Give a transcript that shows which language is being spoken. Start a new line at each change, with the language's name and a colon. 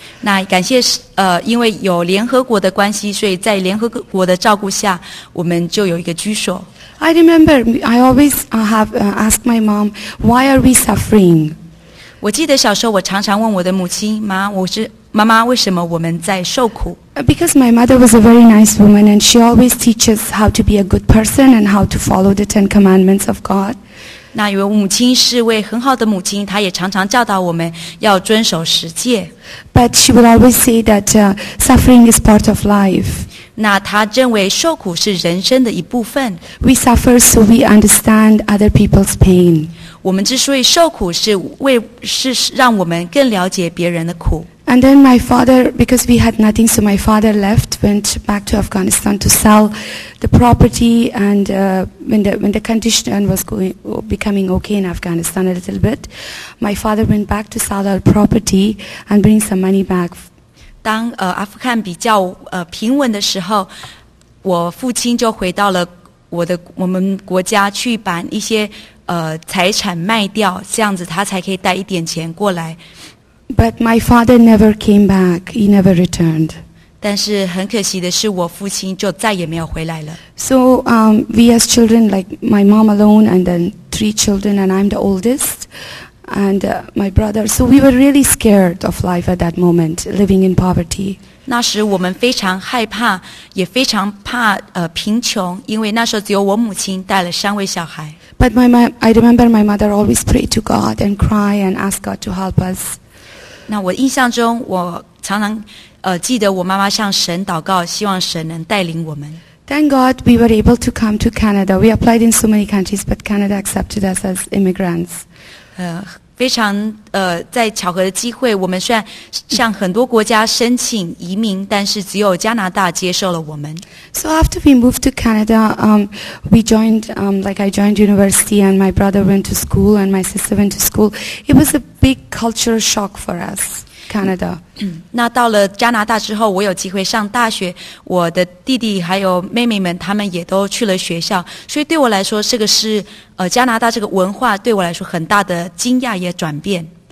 Chinese: 那感谢因为有联合国的关系，所以在联合国的照顾下，我们就有一个居所。
English: I remember, I always have asked my mom, why are we suffering?
Chinese: 我记得小时候，我常常问我的母亲，妈，我是妈妈，为什么我们在受苦？
English: Because my mother was a very nice woman, and she always teaches how to be a good person and how to follow the Ten Commandments of God.
Chinese: 那因为母亲是位很好的母亲，她也常常教导我们要遵守十诫。
English: But she would always say that suffering is part of life.
Chinese: 那她认为受苦是人生的一部分。
English: We suffer so we understand other people's pain.
Chinese: 我们之所以受苦，是让我们更了解别人的苦。
English: And then my father, because we had nothing, so my father left, went back to Afghanistan to sell the property. And when the condition was becoming okay in Afghanistan a little bit, my father went back to sell our property and bring some money back.
Chinese: 当阿富汗比较平稳的时候，我父亲就回到了我们国家去把一些财产卖掉，这样子他才可以带一点钱过来。
English: But my father never came back. He never returned.
Chinese: 但是很可惜的是，我父亲就再也没有回来了。
English: So, we as children, like my mom alone, and then three children, and I'm the oldest, and my brother. So we were really scared of life at that moment, living in poverty.
Chinese: 那时我们非常害怕，也非常怕贫穷，因为那时候只有我母亲带了三位小孩。
English: But I remember my mother always prayed to God and cry and ask God to help us.
Chinese: 那我印象中，我常常记得我妈妈向神祷告，希望神能带领我们。
English: Thank God we were able to come to Canada. We applied in so many countries, but Canada accepted us as immigrants.
Chinese: 非常在巧合的机会，我们虽然向很多国家申请移民，但是只有加拿大接受了我们。
English: So after we moved to Canada, we joined, like I joined university, and my brother went to school, and my sister went to school. It was a big cultural shock for us, Canada.
Chinese: 那到了加拿大之后，我有机会上大学，我的弟弟还有妹妹们，他们也都去了学校，所以对我来说，这个是加拿大这个文化对我来说很大的惊讶也转变。